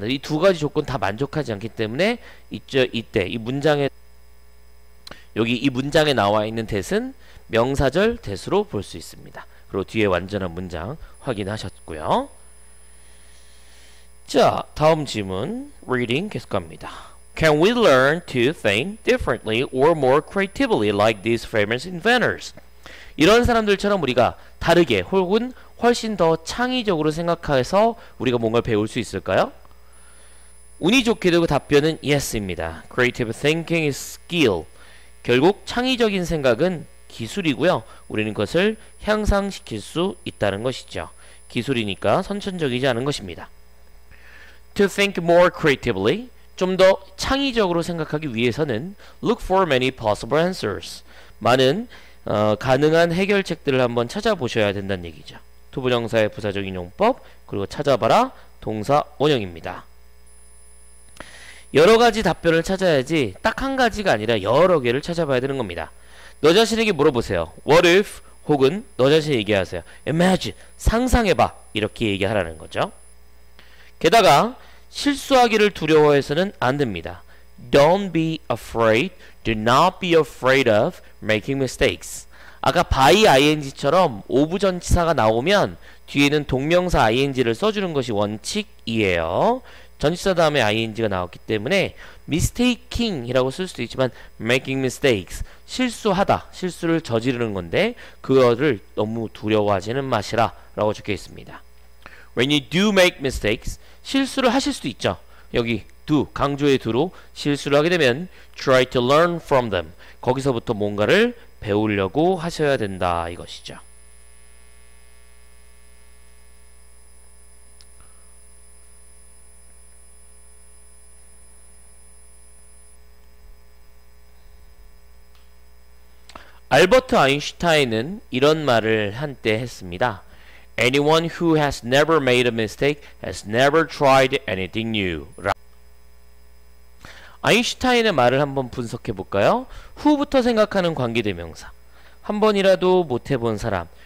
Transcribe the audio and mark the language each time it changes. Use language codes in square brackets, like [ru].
[ko] 이두 가지 조건 다 만족하지 않기 때문에 있죠. 이때 이 문장에 여기 이 문장에 나와 있는 that은 명사절 대수로 볼수 있습니다. 그리고 뒤에 완전한 문장 확인하셨고요. 자, 다음 질문 reading 계속 갑니다. [en] Can we learn to think differently or more creatively like these famous inventors? [ko] 이런 사람들처럼 우리가 다르게 혹은 훨씬 더 창의적으로 생각해서 우리가 뭔가를 배울 수 있을까요? 운이 좋게도 그 답변은 yes입니다. [en] Creative thinking is skill. [ko] 결국 창의적인 생각은 기술이고요. 우리는 그것을 향상시킬 수 있다는 것이죠. 기술이니까 선천적이지 않은 것입니다. [en] To think more creatively, [ko] 좀더 창의적으로 생각하기 위해서는 [en] look for many possible answers. [ko] 많은 가능한 해결책들을 한번 찾아보셔야 된다는 얘기죠. 투부정사의 부사적 인용법, 그리고 찾아봐라 동사 원형입니다. 여러 가지 답변을 찾아야지 딱한 가지가 아니라 여러 개를 찾아봐야 되는 겁니다. 너 자신에게 물어보세요. [en] What if [ko] 혹은 너 자신에게 얘기하세요. Imagine, 상상해봐. 이렇게 얘기하라는 거죠. 게다가 실수하기를 두려워해서는 안 됩니다. [en] Don't be afraid. Do not be afraid of making mistakes. [ko] 아까 by ing처럼 오브전치사가 나오면 뒤에는 동명사 ing를 써주는 것이 원칙이에요. 전치사 다음에 ing가 나왔기 때문에 mistaking이라고 쓸 수도 있지만 [en] making mistakes, [ko] 실수하다, 실수를 저지르는 건데 그거를 너무 두려워하지는 마시라 라고 적혀 있습니다. [en] When you do make mistakes, [ko] 실수를 하실 수도 있죠. 여기 do, 강조의 do로 실수를 하게 되면 [en] try to learn from them, [ko] 거기서부터 뭔가를 배우려고 하셔야 된다 이것이죠. 알버트 아인슈타인은 이런 말을 한때 했습니다. [en] Anyone who has never made a mistake has never tried anything new. [ko] 아인슈타인의 말을 한번 분석해 볼까요? Who부터 생각하는 관계대명사. 한 번이라도 못 해본 사람.